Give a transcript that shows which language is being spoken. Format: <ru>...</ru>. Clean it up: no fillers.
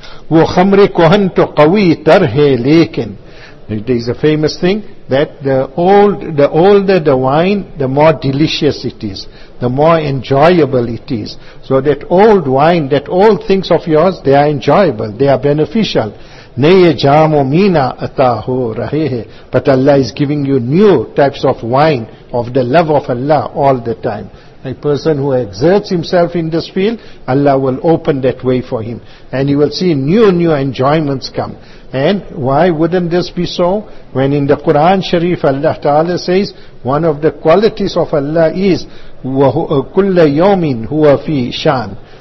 <ur>وہ خمر کوہن تو قوی تر ہے لیکن.</ur> <en>It is a famous thing that the older the wine, the more delicious it is, the more enjoyable it is. So that old wine, that old things of yours, they are enjoyable, they are beneficial.</en> <ur>نئے جام و مینا عطا ہو رہے ہیں.</ur> <en>But Allah is giving you new types of wine of the love of Allah all the time. A person who exerts himself in this field, Allah will open that way for him. And he will see new enjoyments come. And why wouldn't this be so? When in the Quran Sharif, Allah Ta'ala says, one of the qualities of Allah is,</en> <ar>وَكُلَّ يَوْمٍ هُوَ فِي شَانٍ.</ar>